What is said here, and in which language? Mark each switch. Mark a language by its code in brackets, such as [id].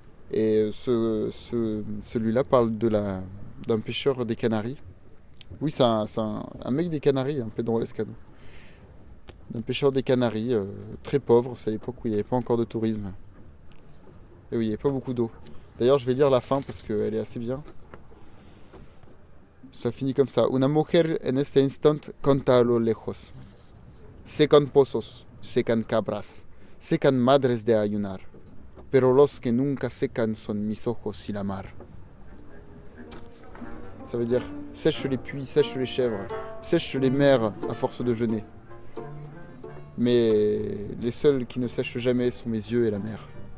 [fr] Et celui-là parle d'un pêcheur des Canaries. Oui, c'est un mec des Canaries, hein, Pedro Lescano. Un pêcheur des Canaries, très pauvre, c'est à l'époque où il n'y avait pas encore de tourisme. Et oui, il n'y avait pas beaucoup d'eau. D'ailleurs, je vais lire la fin parce qu'elle est assez bien. Ça finit comme ça. [es] Una mujer en este instante canta a lo lejos. Secan pozos, secan cabras, secan madres de ayunar. Pero los que nunca secan son mis ojos y la mar. [fr] Ça veut dire sèche les puits, sèche les chèvres, sèche les mers à force de jeûner. Mais les seuls qui ne sèchent jamais sont mes yeux et la mer.